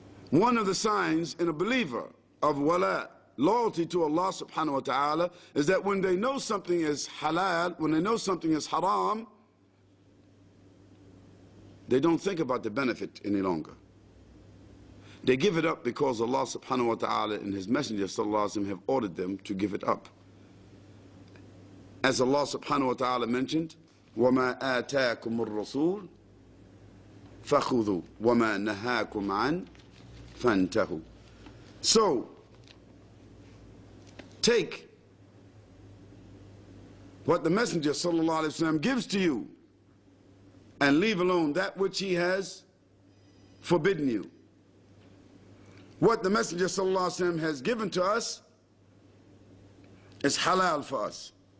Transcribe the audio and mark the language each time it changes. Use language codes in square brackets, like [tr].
[en] One of the signs in a believer of wala, loyalty to Allah subhanahu wa ta'ala, is that when they know something is halal, when they know something is haram, they don't think about the benefit any longer. They give it up because Allah subhanahu wa ta'ala and His Messenger sallallahu alayhi wa sallam have ordered them to give it up. As Allah subhanahu wa ta'ala mentioned, [ar] وَمَا آتَاكُمُ الرَّسُولُ فَخُذُوا وَمَا نَهَاكُمْ عَنْ فَانْتَهُ. [en] So, take what the Messenger sallallahu alayhi wa sallam gives to you and leave alone that which he has forbidden you. What the Messenger sallallahu alayhi wa sallam has given to us is halal for us.